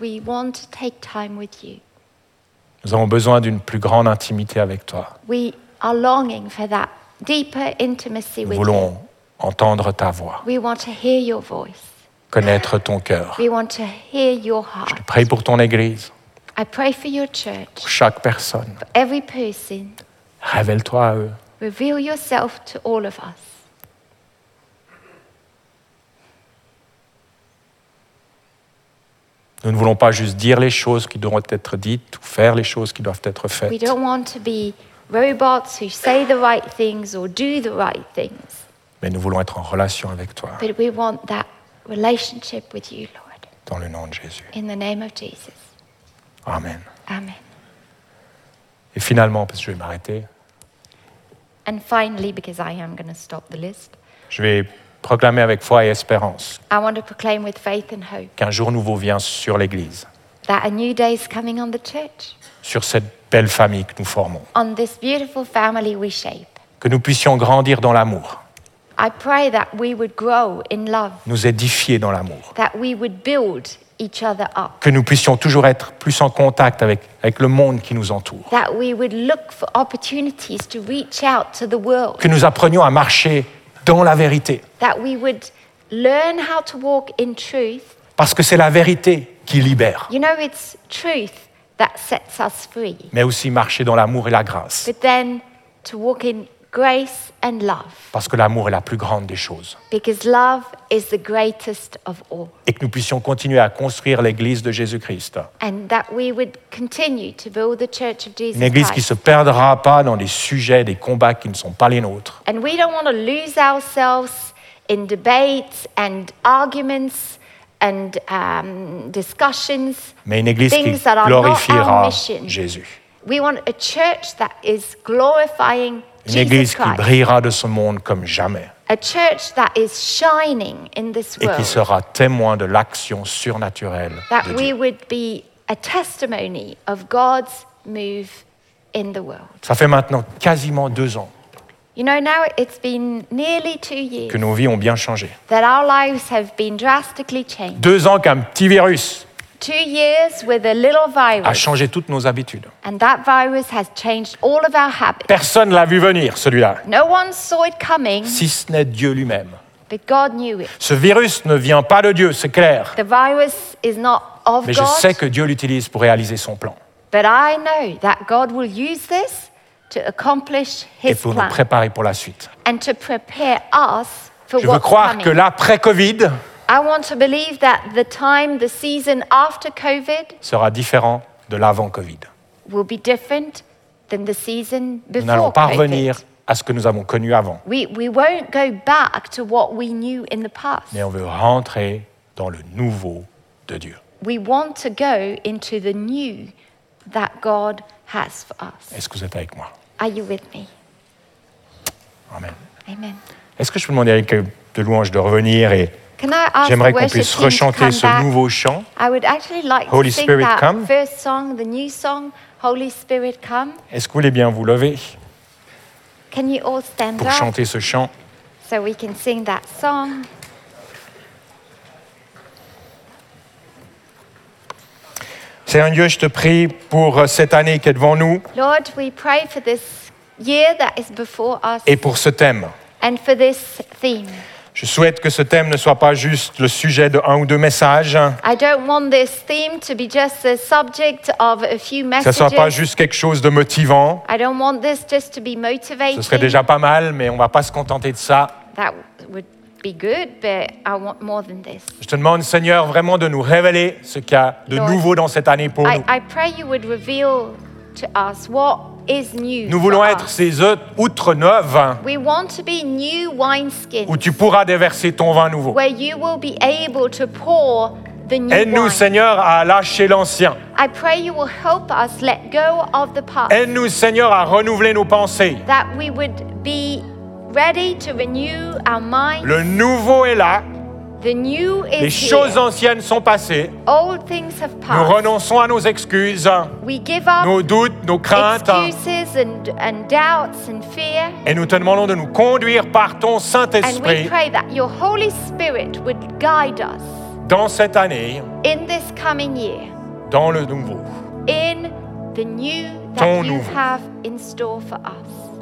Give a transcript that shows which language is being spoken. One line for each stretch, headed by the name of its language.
English: We want to take time with you.
French: Nous avons besoin d'une plus grande intimité avec toi.
English: We are longing for that deeper intimacy with you.
French: Nous voulons entendre ta voix.
English: We want to hear your voice.
French: Connaître ton cœur.
English: We want to hear your heart.
French: Je te prie pour ton église.
English: I pray for your church.
French: Pour chaque personne.
English: For every person.
French: Révèle-toi à eux.
English: Reveal yourself to all of us.
French: Nous ne voulons pas juste dire les choses qui doivent être dites ou faire les choses qui doivent être faites.
English: We don't want to be robots who say the right things or do the right things.
French: Mais nous voulons être en relation avec toi.
English: But we want that relationship with you, Lord.
French: Dans le nom de Jésus.
English: In the name of Jesus.
French: Amen.
English: Amen.
French: Et finalement, parce que je vais m'arrêter.
English: And finally, because I am going to stop the list.
French: Je vais proclamer avec foi et espérance.
English: I want to proclaim with faith and hope.
French: Qu'un jour nouveau vient sur l'Église.
English: That a new day is coming on the church.
French: Sur cette belle famille que nous formons.
English: On this beautiful family we shape.
French: Que nous puissions grandir dans l'amour.
English: I pray that we would grow in love.
French: Nous édifier dans l'amour.
English: That we would build each other up.
French: Que nous puissions toujours être plus en contact avec le monde qui nous entoure.
English: That we would look for opportunities to reach out to the world.
French: Que nous apprenions à marcher dans la vérité.
English: That we would learn how to walk in truth.
French: Parce que c'est la vérité qui libère.
English: You know, it's truth that sets us free.
French: Mais aussi marcher dans l'amour et la grâce.
English: But then to walk in grace and love.
French: Parce que l'amour est la plus grande des choses.
English: Because love is the greatest of all.
French: Et que nous puissions continuer à construire l'Église de Jésus-Christ.
English: And that we would continue to build the church of Jesus Christ.
French: Une Église qui ne se perdra pas dans des sujets, des combats qui ne sont pas les nôtres.
English: And we don't want to lose ourselves in debates and arguments and discussions.
French: Mais une Église qui glorifiera Jésus.
English: We want a church that is glorifying
French: une Église qui brillera de ce monde comme jamais.
English: A church that is shining in this world.
French: Et qui sera témoin de l'action surnaturelle de
English: that
French: Dieu.
English: We would be a testimony of God's move in the world.
French: Ça fait maintenant quasiment 2 ans.
English: You know, now it's been nearly 2 years.
French: Que nos vies ont bien changé.
English: That our lives have been drastically changed.
French: 2 ans qu'un petit virus.
English: 2 years with a little virus.
French: A changé toutes nos habitudes.
English: And that virus has changed all of our habits.
French: Personne l'a vu venir, celui-là.
English: No one saw it coming.
French: Si ce n'est Dieu lui-même.
English: But God knew it.
French: Ce virus ne vient pas de Dieu, c'est clair.
English: The virus is not of God.
French: Mais je sais que Dieu l'utilise pour réaliser son plan.
English: But I know that God will use this to accomplish his plan.
French: Et pour nous préparer pour la suite.
English: And to prepare us for what's coming.
French: Je veux croire que l'après-Covid.
English: I want to believe that the time, the season after COVID
French: sera différent de l'avant COVID.
English: Will be different than the season before COVID.
French: Nous n'allons pas revenir à ce que nous avons connu avant.
English: We won't go back to what we knew in the past.
French: Mais on veut rentrer dans le nouveau de Dieu.
English: We want to go into the new that God has for us.
French: Est-ce que vous êtes avec moi?
English: Are you with me?
French: Amen.
English: Amen.
French: Est-ce que je peux demander à Eric de louange de revenir et j'aimerais qu'on puisse rechanter ce nouveau chant.
English: I would actually like to sing that first song, the new song, Holy Spirit Come.
French: Est-ce que vous voulez bien vous lever?
English: Can you all stand
French: pour chanter ce chant.
English: So we can sing that song.
French: Seigneur Dieu, je te prie pour cette année qui est devant nous.
English: Lord, we pray for this year that is before us.
French: Et pour ce thème.
English: And for this theme.
French: Je souhaite que ce thème ne soit pas juste le sujet de 1 ou 2 messages.
English: I don't want this theme to be just the subject of a few messages.
French: Ça soit pas juste quelque chose de motivant.
English: I don't want this just to be motivating.
French: Ce serait déjà pas mal, mais on va pas se contenter de ça.
English: That would be good, but I want more than this.
French: Je te demande, Seigneur, vraiment de nous révéler ce qu'il y a de
English: Lord,
French: nouveau dans cette année pour nous.
English: I pray you would reveal to us what is new.
French: Nous voulons être ces outres neuves.
English: We want to be new wineskins.
French: Où tu pourras déverser ton vin nouveau.
English: Where you will be able to pour the new
French: Aide-nous, Seigneur, à lâcher l'ancien.
English: I pray you will help us let go of the past.
French: Aide-nous, Seigneur, à renouveler nos pensées.
English: That we would be ready to renew our minds.
French: Le nouveau est là.
English: The new is here.
French: Les choses anciennes sont passées.
English: Old things have passed.
French: Nous renonçons à nos excuses.
English: We give up
French: nos doutes, nos craintes.
English: Excuses and doubts and fear.
French: Et nous te demandons de nous conduire par ton Saint-Esprit.
English: And we pray that your Holy Spirit would guide us.
French: Dans cette année.
English: In this coming year.
French: Dans le nouveau.
English: In the new that you have in store for us.